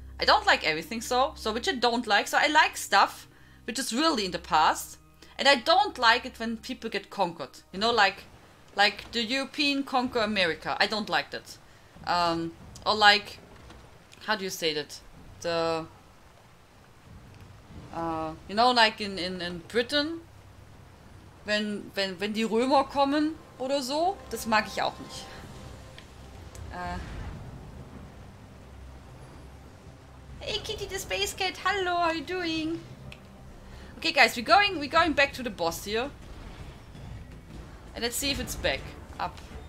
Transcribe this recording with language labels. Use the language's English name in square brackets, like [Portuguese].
[English] I don't like everything, so which I don't like. So I like stuff which is really in the past. And I don't like it when people get conquered. You know, like the European conquer America. I don't like that. Or like, how do you say that? The you know, like in Britain, [German] wenn die Römer kommen oder so, das mag ich auch nicht. [English] Hey Kitty the Space Cat, hello, how are you doing? Okay guys, we're going back to the boss here. And let's see if it's back up.